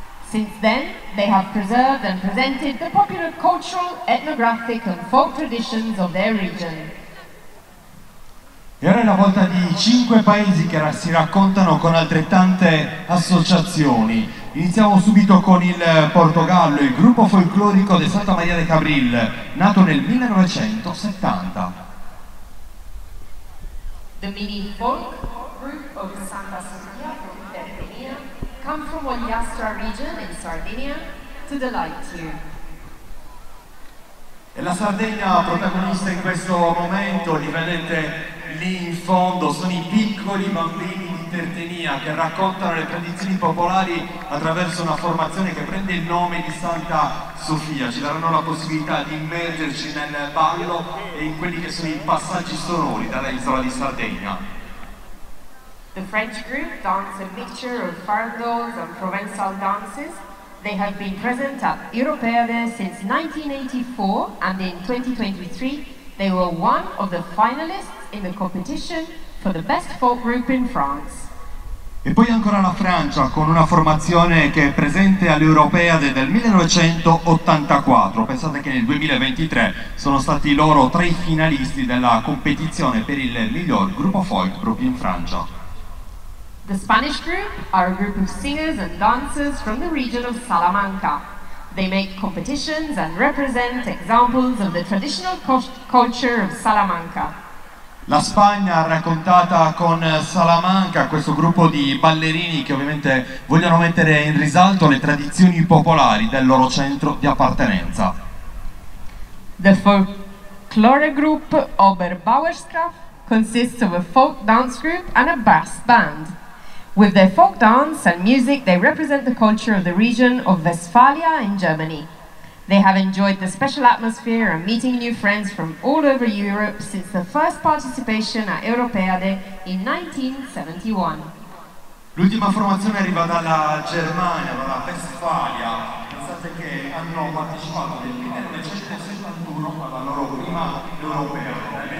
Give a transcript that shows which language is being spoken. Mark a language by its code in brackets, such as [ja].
[en] Since then, they have preserved and presented the popular cultural, ethnographic and folk traditions of their region. [it] Era la volta di cinque paesi che si raccontano con altrettante associazioni. Iniziamo subito con il Portogallo, il gruppo folclorico de Santa María de Cabril, nato nel 1970. [en] The mini folk group of Santa Sofia from Sardinia come from Ogliastra region in Sardinia to delight you. [it] E la Sardegna protagonista in questo momento, li vedete lì in fondo, sono i piccoli bambini di Tirtenia che raccontano le tradizioni popolari attraverso una formazione che prende il nome di Santa Sofia. Ci daranno la possibilità di immergerci nel ballo e in quelli che sono i passaggi sonori dall'isola di Sardegna. [en] The French group dance a mixture of fardos and Provençal dances. They have been present at Europea since 1984, and in 2023 they were one of the finalists in the competition for the best folk group in France. [it] E poi ancora la Francia, con una formazione che è presente all'Europea del 1984. Pensate che nel 2023 sono stati loro tra i finalisti della competizione per il miglior gruppo folk group in Francia. [en] The Spanish group are a group of singers and dancers from the region of Salamanca. They make competitions and represent examples of the traditional culture of Salamanca. [it] La Spagna ha raccontata con Salamanca, questo gruppo di ballerini che ovviamente vogliono mettere in risalto le tradizioni popolari del loro centro di appartenenza. [en] The folklore group Oberbauerschaft consists of a folk dance group and a brass band. With their folk dance and music, they represent the culture of the region of Westphalia in Germany. They have enjoyed the special atmosphere and meeting new friends from all over Europe since the first participation at Europeade in 1971. [it] L'ultima formazione arriva dalla Germania, dalla Westphalia. Pensate che hanno partecipato nel 1971 alla loro prima Europea.